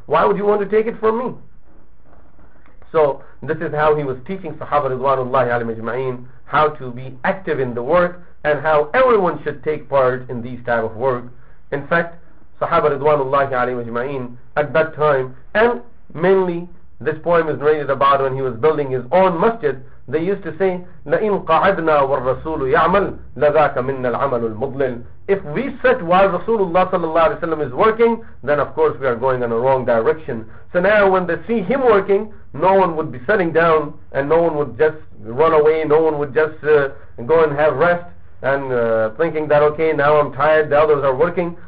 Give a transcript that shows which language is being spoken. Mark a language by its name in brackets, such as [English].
[English] Why would you want to take it from me? So this is how he was teaching Sahaba Ridwanullahi alayhi majma'een how to be active in the work and how everyone should take part in these type of work. In fact, Sahaba Ridwanullahi alayhi wa jama'in at that time. And mainly this poem is narrated about when he was building his own masjid. They used to say, [Arabic] لَإِنْ قَعَدْنَا وَالرَّسُولُ يَعْمَلْ لَذَاكَ مِنَّ الْعَمَلُ الْمُضْلِلُ. [English] If we sit while Rasulullah sallallahu alayhi wa sallam is working, then of course we are going in a wrong direction. So now when they see him working, no one would be sitting down, and no one would just run away, no one would just go and have rest, and thinking that, okay, now I'm tired, the others are working.